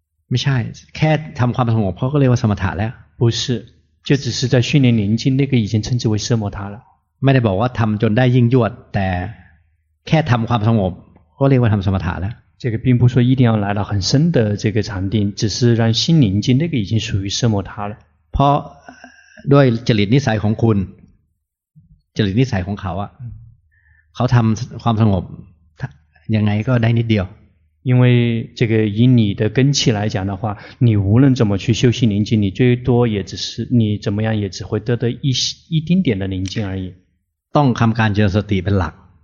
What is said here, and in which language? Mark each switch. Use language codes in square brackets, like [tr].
[th] ไม่ใช่แค่ทำความสงบเพราะก็เรียกว่าสมถะแล้ว [zh] 不是就只是在训练宁静那个已经称之为奢摩他了 [th] ไม่ได้บอกว่าทำจนได้ยิ่งยวดแต่แค่ทำความสงบก็เรียกว่าทำสมถะแล้ว [zh] 这个并不说一定要来到很深的这个禅定只是让心宁静那个已经属于奢摩他了 [th] เพราะด้วยจริตนิสัยของคุณจริตนิสัยของเขาอ่ะเขาทำความสงบยังไงก็ได้นิดเดียว [zh] 因为这个以你的根气来讲的话你无论怎么去修心宁静你最多也只是你怎么样也只会得一丁点的宁静而已 [th] ต้องทำการเจริญสติเป็นหลัก